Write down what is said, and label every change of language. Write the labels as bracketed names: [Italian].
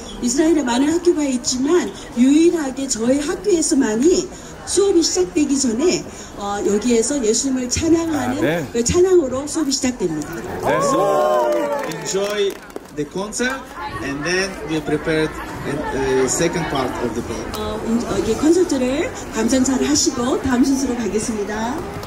[Korean] 이스라엘에 많은 학교가 있지만 유일하게 저희 학교에서만이 수업이 시작되기 전에 여기에서 예수님을 찬양하는 그 찬양으로 수업이 시작됩니다. [English] So enjoy the concert and then we prepared the second part of the program. [Korean] 이 콘서트를 감상 잘 하시고 다음 순서로 가겠습니다.